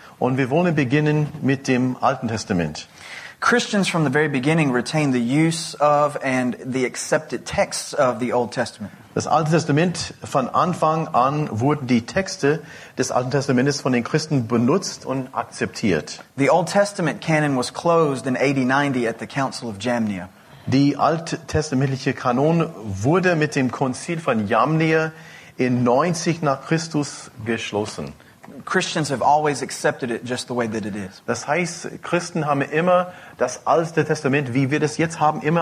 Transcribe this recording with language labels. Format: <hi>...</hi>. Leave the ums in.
<de>Und wir wollen beginnen mit dem Alten Testament.</de> <en>Christians from the very beginning retained the use of and the accepted texts of the Old Testament.</en> <de>Das Alte Testament von Anfang an wurden die Texte des Alten Testaments von den Christen benutzt und akzeptiert.</de> <en>The Old Testament canon was closed in AD at the Council of Jamnia.</en> <de>Die alttestamentliche Kanon wurde mit dem Konzil von Jamnia in 90 nach Christus geschlossen.</de> <en>Christians have always accepted it just the way that it is.</en> <de>Das heißt, Christen haben immer das Allste Testament, wie wir haben,</de>